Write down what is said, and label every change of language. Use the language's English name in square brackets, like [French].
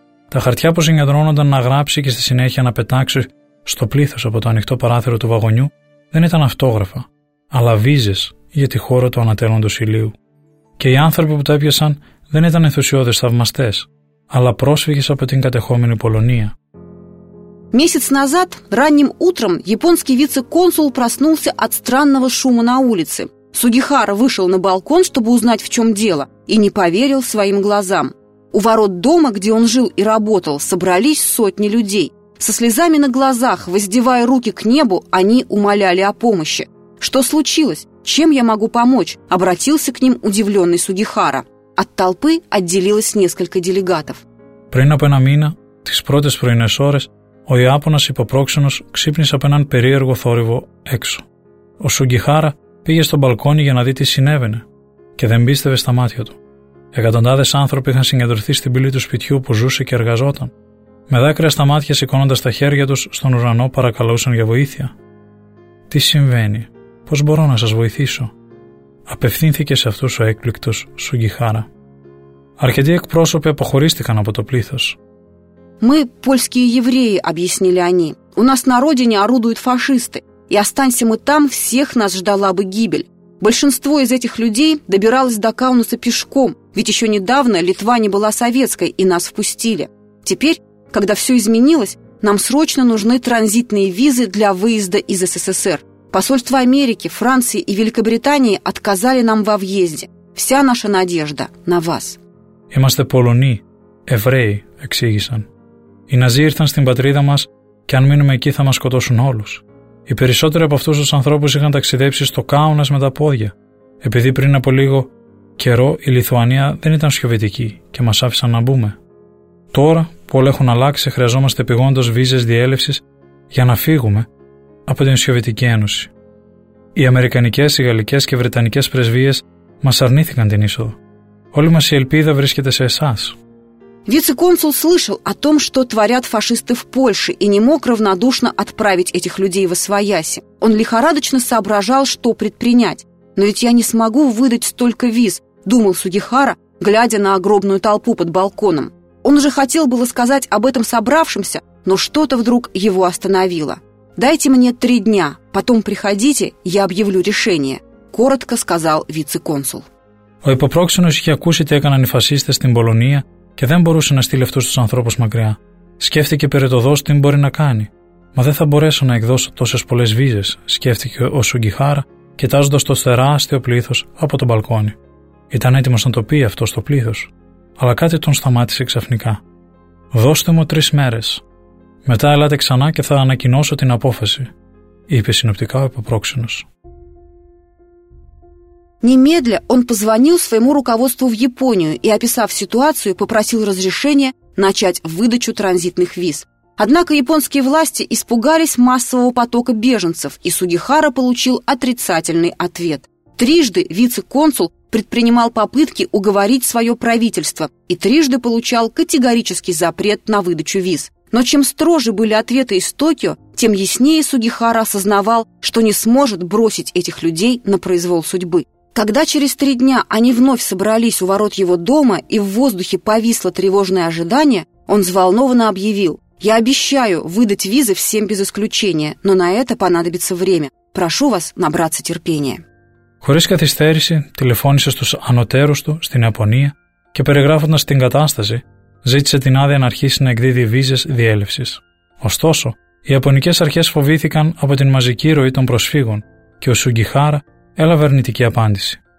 [Greek] Τα χαρτιά που συγκεντρώνονταν να γράψει και στη συνέχεια να πετάξει στο πλήθος από το ανοιχτό παράθυρο του βαγονιού δεν ήταν αυτόγραφα, αλλά βίζες για τη χώρα του ανατέλλοντος ηλίου. Και οι άνθρωποι που τα έπιασαν δεν ήταν ενθουσιώδες θαυμαστές, αλλά πρόσφυγες από την κατεχόμενη Πολωνία. [Russian] Месяц назад, ранним утром, японский вице-консул проснулся от странного шума на улице. Сугихара вышел на балкон, чтобы узнать, в чем дело, и не поверил своим глазам. У ворот дома, где он жил и работал, собрались сотни людей. Со слезами на глазах, воздевая руки к небу, они умоляли о помощи. «Что случилось? Чем я могу помочь?» – обратился к ним удивленный Сугихара. От толпы отделилось несколько делегатов. [Greek] Πριν από ένα мήνα, τις πρώτες πρωινές ώρες, ο Ιάπωνας υποπρόξενος ξύπνησε από έναν περίεργο θόρυβο έξω. Ο Σουγκιχάρα πήγε στο μπαλκόνι για να δει τι συνέβαινε και δεν πίστευε στα μάτια του. Εκατοντάδες άνθρωποι είχαν συγκεντρωθεί στην πύλη του σπιτιού που ζούσε και εργαζόταν. Με δάκρυα στα μάτια, σηκώνοντας τα χέρια τους στον ουρανό, παρακαλούσαν για βοήθεια. «Τι συμβαίνει? Πώς μπορώ να σας βοηθήσω?» απευθύνθηκε σε αυτούς ο έκπληκτος Σουγκιχάρα. Αρκετοί εκπρόσωποι αποχωρίστηκαν από το πλήθος. [Russian] «Мы, польские евреи», — объяснили они, — «у нас на родине орудуют фашисты, и останься мы там, всех нас ждала бы гибель. Большинство из этих людей добиралось до Каунаса пешком, ведь еще недавно Литва не была советской, и нас впустили. Теперь, когда все изменилось, нам срочно нужны транзитные визы для выезда из СССР. Посольства Америки, Франции и Великобритании отказали нам во въезде. Вся наша надежда на вас». [Greek] «Είμαστε [Russian] Полуни, евреи», [Greek] — εξήγησαν. «Οι Ναζί ήρθαν στην πατρίδα μας και αν μείνουμε εκεί θα μας σκοτώσουν όλους. Οι περισσότεροι από αυτούς τους ανθρώπους είχαν ταξιδέψει στο Κάουνας με τα πόδια, επειδή πριν από λίγο καιρό η Λιθουανία δεν ήταν σιωπητική και μας άφησαν να μπούμε. Τώρα που όλα έχουν αλλάξει, χρειαζόμαστε επειγόντως βίζες διέλευσης για να φύγουμε από την Σοβιετική Ένωση. Οι Αμερικανικές, οι Γαλλικές και οι Βρετανικές πρεσβείες μας αρνήθηκαν την είσοδο. Όλη μας η ελπίδα βρίσκεται σε εσάς». [Russian] Вице-консул слышал о том, что творят фашисты в Польше, и не мог равнодушно отправить этих людей во свояси. Он лихорадочно соображал, что предпринять. «Но ведь я не смогу выдать столько виз», — думал Сугихара, глядя на огромную толпу под балконом. Он уже хотел было сказать об этом собравшимся, но что-то вдруг его остановило. «Дайте мне 3 дня, потом приходите, я объявлю решение», — коротко сказал вице-консул. «Ой, попроксинусь, я кушать, я канан фашисты с тем Болония». [Greek] Και δεν μπορούσε να στείλει αυτούς τους ανθρώπους μακριά. Σκέφτηκε περαιτωδώς τι μπορεί να κάνει. «Μα δεν θα μπορέσω να εκδώσω τόσες πολλές βίζες», σκέφτηκε ο Σουγκιχάρα, κοιτάζοντας το τεράστιο πλήθος από το μπαλκόνι. Ήταν έτοιμος να το πει αυτό στο πλήθος, αλλά κάτι τον σταμάτησε ξαφνικά. «Δώστε μου 3 μέρες. Μετά ελάτε ξανά και θα ανακοινώσω την απόφαση», είπε συνοπτικά ο υποπρόξενος. [Russian] Немедля он позвонил своему руководству в Японию и, описав ситуацию, попросил разрешения начать выдачу транзитных виз. Однако японские власти испугались массового потока беженцев, и Сугихара получил отрицательный ответ. 3 раза вице-консул предпринимал попытки уговорить свое правительство и 3 раза получал категорический запрет на выдачу виз. Но чем строже были ответы из Токио, тем яснее Сугихара осознавал, что не сможет бросить этих людей на произвол судьбы. Когда через 3 дня они вновь собрались у ворот его дома и в воздухе повисло тревожное ожидание, он взволнованно объявил: «Я обещаю выдать визы всем без исключения, но на это понадобится время. Прошу вас набраться терпения». [Greek] Χωρίς καθυστέρηση τηλεφώνησε στους ανωτέρους του στην Ιαπωνία και περιγράφοντας την κατάσταση, ζήτησε την άδεια να αρχίσει να εκδίδει βίζες διέλευσης. Ωστόσο, οι ιαπωνικές αρχές φοβήθηκαν από την μαζική ροή των προσφύγων και ο Σουγκιχάρα έλαβε αρνητική απάντηση.